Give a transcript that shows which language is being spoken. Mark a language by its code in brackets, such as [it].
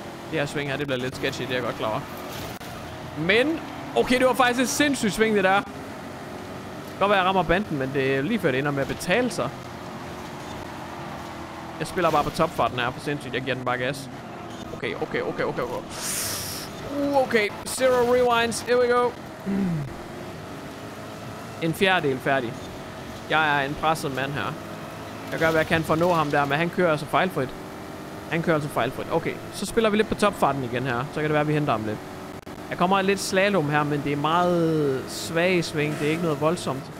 [da] Det her sving her, det bliver lidt sketchy, det er jeg godt klar over. Men, okay, det var faktisk et sindssygt sving, det der. Det kan godt være, jeg rammer banden, men det er lige før, det ender med at betale sig. Jeg spiller bare på topfarten her, for sindssygt, jeg giver den bare gas. [en] Okay, okay, okay, okay, okay. Okay, zero rewinds, here we go. [da] En fjerdedel færdig. Jeg er en presset mand her. Jeg gør, hvad jeg kan for at nå ham der, men han kører altså fejlfrit. Han kører altså fejlfrit. Okay, så spiller vi lidt på topfarten igen her. Så kan det være, vi henter ham lidt. Jeg kommer lidt slalom her, men det er meget svag sving. Det er ikke noget voldsomt.